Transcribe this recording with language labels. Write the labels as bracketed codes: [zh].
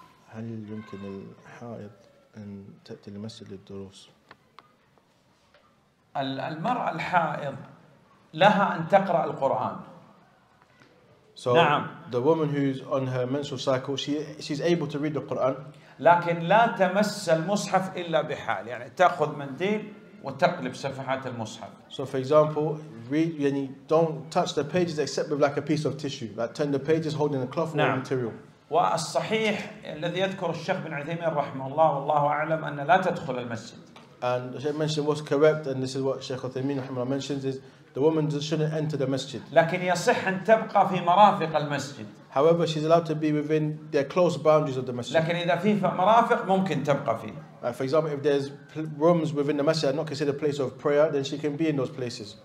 [ar] هل يمكن الحائض أن تأتي لمسجد للدروس؟ المرأة الحائض لها أن تقرأ القرآن. [en] So [ar] نعم. [en] The woman who's on her menstrual cycle, she's able to read the Quran. [ar] لكن لا تمس المصحف إلا بحال، يعني تأخذ منديل وتقلب صفحات المصحف. [en] So for example, read, [ar] يعني [en] don't touch the pages except with like a piece of tissue, like turn the pages holding a cloth. [ar] نعم. [en] Or material. [ar] والصحيح الذي يذكر الشيخ بن عثيمين رحمه الله والله أعلم أن لا تدخل المسجد. [en] And the Sheikh mentioned what's correct, and this is what Sheikh Uthaymeen رحمه الله mentions is the woman shouldn't enter the masjid. [ar] لكن يصح أن تبقى في مرافق المسجد. [en] However, she's allowed to be within the close boundaries of the masjid. [ar] لكن إذا في مرافق ممكن تبقى فيه. [en] For example, if there's rooms within the masjid not considered a place of prayer, then she can be in those places.